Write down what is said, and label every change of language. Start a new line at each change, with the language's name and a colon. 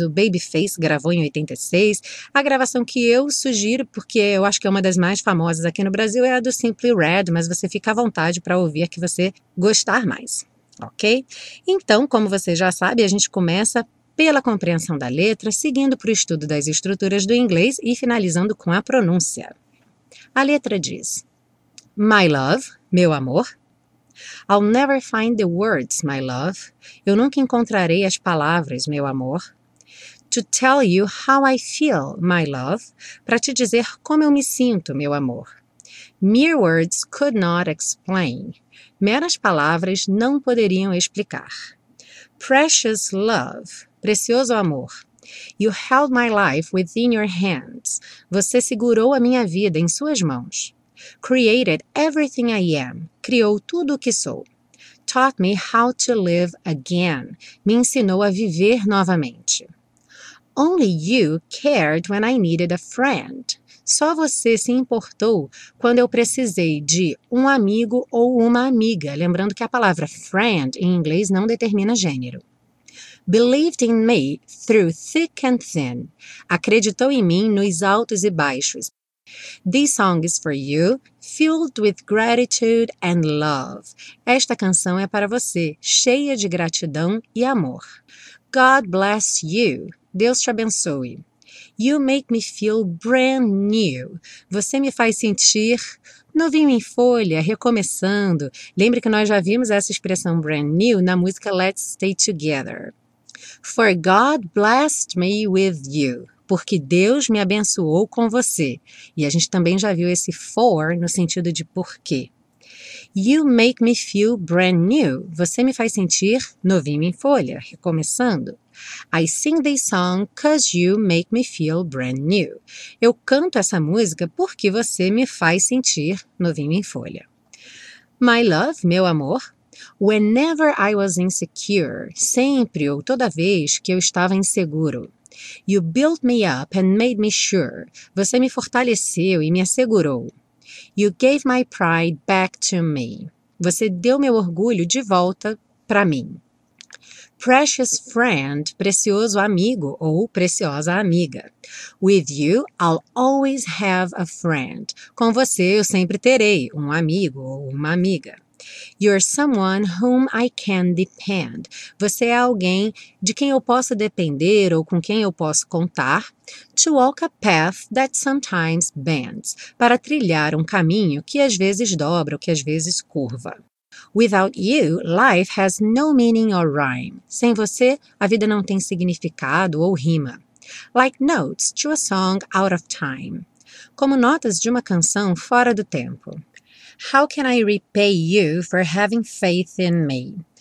Portuguese: O Babyface gravou em 86. A gravação que eu sugiro, porque eu acho que é uma das mais famosas aqui no Brasil, é a do Simply Red, mas você fica à vontade para ouvir a que você gostar mais, ok? Então, como você já sabe, a gente começa pela compreensão da letra, seguindo para o estudo das estruturas do inglês e finalizando com a pronúncia. A letra diz:
English: My love,
Portuguese: meu amor.
English: I'll never find the words, my love.
Portuguese: Eu nunca encontrarei as palavras, meu amor.
English: To tell you how I feel, my love.
Portuguese: Para te dizer como eu me sinto, meu amor.
English: Mere words could not explain.
Portuguese: Meras palavras não poderiam explicar.
English: Precious love.
Portuguese: Precioso amor,
English: you held my life within your hands.
Portuguese: Você segurou a minha vida em suas mãos.
English: Created everything I am.
Portuguese: Criou tudo o que sou.
English: Taught me how to live again.
Portuguese: Me ensinou a viver novamente.
English: Only you cared when I needed a friend.
Portuguese: Só você se importou quando eu precisei de um amigo ou uma amiga. Lembrando que a palavra friend em inglês não determina gênero.
English: Believed in me through thick and thin.
Portuguese: Acreditou em mim nos altos e baixos.
English: This song is for you, filled with gratitude and love.
Portuguese: Esta canção é para você, cheia de gratidão e amor.
English: God bless you.
Portuguese: Deus te abençoe.
English: You make me feel brand new.
Portuguese: Você me faz sentir novinho em folha, recomeçando. Lembre que nós já vimos essa expressão brand new na música Let's Stay Together.
English: For God blessed me with you.
Portuguese: Porque Deus me abençoou com você. E a gente também já viu esse for no sentido de porquê.
English: You make me feel brand new.
Portuguese: Você me faz sentir novinho em folha, recomeçando.
English: I sing this song 'cause you make me feel brand new.
Portuguese: Eu canto essa música porque você me faz sentir novinho em folha.
English: My love,
Portuguese: meu amor.
English: Whenever I was insecure,
Portuguese: sempre ou toda vez que eu estava inseguro.
English: You built me up and made me sure.
Portuguese: Você me fortaleceu e me assegurou.
English: You gave my pride back to me.
Portuguese: Você deu meu orgulho de volta para mim.
English: Precious friend,
Portuguese: precioso amigo ou preciosa amiga.
English: With you, I'll always have a friend.
Portuguese: Com você, eu sempre terei um amigo ou uma amiga.
English: You're someone whom I can depend.
Portuguese: Você é alguém de quem eu posso depender ou com quem eu posso contar.
English: To walk a path that sometimes bends.
Portuguese: Para trilhar um caminho que às vezes dobra ou que às vezes curva.
English: Without you, life has no meaning or rhyme.
Portuguese: Sem você, a vida não tem significado ou rima.
English: Like notes to a song out of time.
Portuguese: Como notas de uma canção fora do tempo.
English: How can I repay you for having faith in me?